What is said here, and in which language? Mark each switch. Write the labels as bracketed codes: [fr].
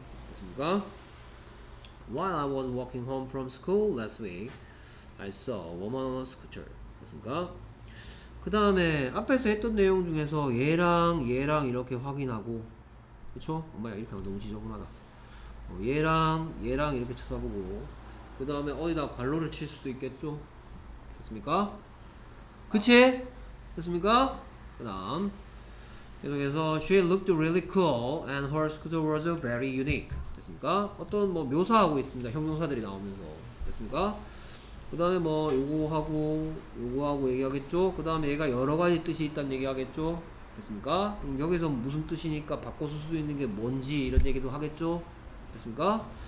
[ko] 됐습니까? [en] While I was walking home from school last week, I saw a woman on a scooter. 됐습니까? [ko] 그 다음에 앞에서 했던 내용 중에서 얘랑 얘랑 이렇게 확인하고, 그쵸? 엄마야 이렇게 하면 너무 지저분하다. 얘랑 얘랑 이렇게 쳐다보고, 그 다음에 어디다 관로를 칠 수도 있겠죠? 됐습니까? 그치? 됐습니까? 그 다음 계속해서 [en] She looked really cool and her scooter was very unique. [ko] 됐습니까? 어떤 뭐 묘사하고 있습니다. 형용사들이 나오면서. 됐습니까? 그 다음에 뭐 요구하고 요구하고 얘기하겠죠? 그 다음에 얘가 여러가지 뜻이 있다는 얘기하겠죠? 됐습니까? 그럼 여기서 무슨 뜻이니까 바꿔 쓸 수도 있는 게 뭔지 이런 얘기도 하겠죠? 됐습니까?